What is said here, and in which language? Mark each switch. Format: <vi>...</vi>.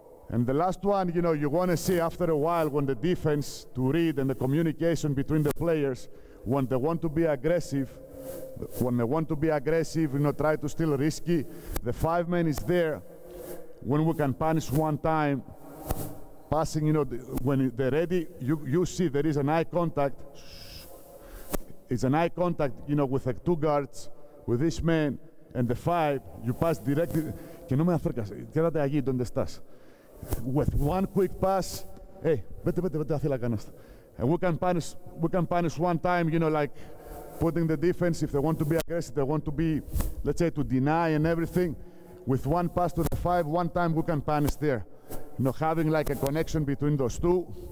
<en>And the last one, you know, you want to see after a while when the defense to read and the communication between the players, when they want to be aggressive, when they want to be aggressive, you know, try to steal risky, the five man is there. When we can punish one time, passing, you know, when they're ready, you see there is an eye contact. It's an eye contact, you know, with the two guards, with this man and the five, you pass directly.</en> <es>Que no me acercas, quédate allí donde estás.</es> <en>With one quick pass, hey,</en> <es>vete, vete, vete hacia la canasta.</es> <en>And we can punish one time, you know, like putting the defense, if they want to be aggressive, they want to be, let's say, to deny and everything. With one pass to the five, one time we can punish there. You know, having like a connection between those two.</en>